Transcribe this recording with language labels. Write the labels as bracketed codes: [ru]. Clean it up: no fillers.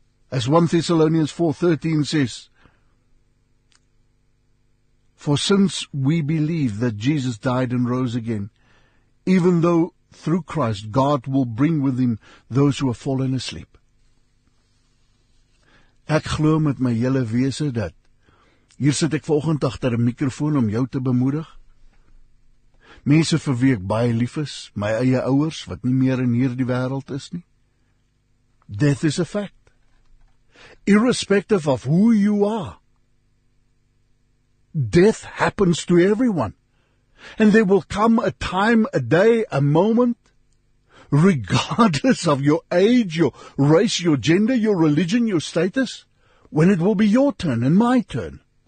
[en] As 1 Thessalonians 4:13 says, "For since we believe that Jesus died and rose again, even though through Christ God will bring with Him those who have fallen asleep." [af] Ek glo met my hele wese dat, hier sit ek vanoggend agter 'n mikrofoon om jou te bemoedig. Mense vir wie ek baie lief is, my eie ouers wat nie meer in hierdie wêreld is nie. [en] Death is a fact. Irrespective of who you are, death happens to everyone. And there will come a time, a day, a moment, regardless of your age, your race, your gender, your religion, your status, when it will be your turn and my turn.